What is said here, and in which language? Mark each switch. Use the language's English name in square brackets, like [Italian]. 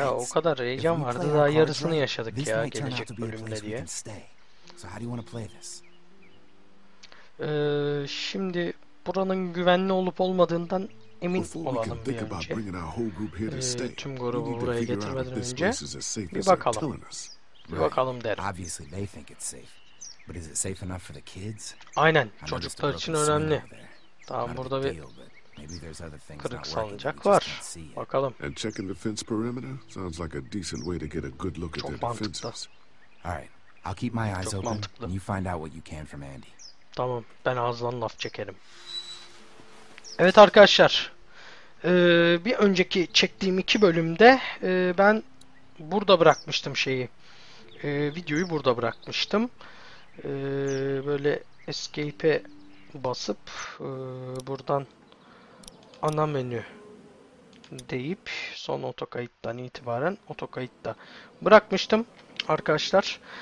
[Turkish] Ya o kadar heyecan vardı daha yarısını yaşadık ya gelecek bölümle diye. [English] So how do you want to play this? [Turkish] Şimdi buranın güvenli olup olmadığından emin olalım bir önce. Tüm grubu buraya getirmeden önce bir bakalım. Bir bakalım derim. [English] Obviously they think it's safe. But is it safe enough for the kids? [Turkish] Aynen, çocuklar için önemli. Tamam, burada bir kırık salınacak var. Bakalım. [English] And checking the fence perimeter sounds like a decent way to get a good look at the defenses. [Turkish] Çok mantıklı. [English] All right, I'll keep my eyes open and you find out what you can from Andy. [Turkish] Tamam, ben ağzından laf çekerim. Evet arkadaşlar, bir önceki çektiğim iki bölümde ben burada bırakmıştım şeyi. Videoyu burada bırakmıştım. Böyle escape'e basıp buradan ana menü deyip son otokayıttan itibaren otokayıtta bırakmıştım arkadaşlar.